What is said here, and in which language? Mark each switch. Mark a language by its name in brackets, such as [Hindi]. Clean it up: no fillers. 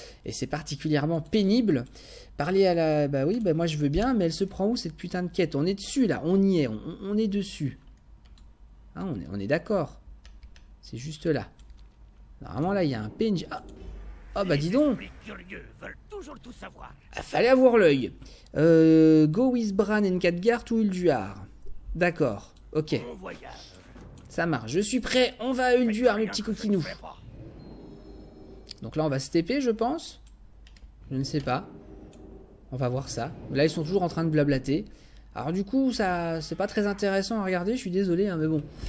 [French] Et c'est particulièrement pénible. Parler à la... Bah oui, bah moi je veux bien, mais elle se prend où cette putain de quête? On est dessus là, on y est, on est dessus. Hein, on est d'accord. C'est juste là. Normalement là, il y a un PNJ. Ah, bah dis donc. Les curieux veulent toujours tout savoir. Fallait avoir l'œil. [English] Go with Bran and Khadgar to Ulduar. [French] D'accord, ok. Bon voyage. Ça marche, je suis prêt, on va à Ulduar, mes petits coquinous. Donc là, on va se TP, je pense. Je ne sais pas. On va voir ça. Là, ils sont toujours en train de blablater. Alors du coup, ça, c'est pas très intéressant à regarder, je suis désolé, hein, mais bon.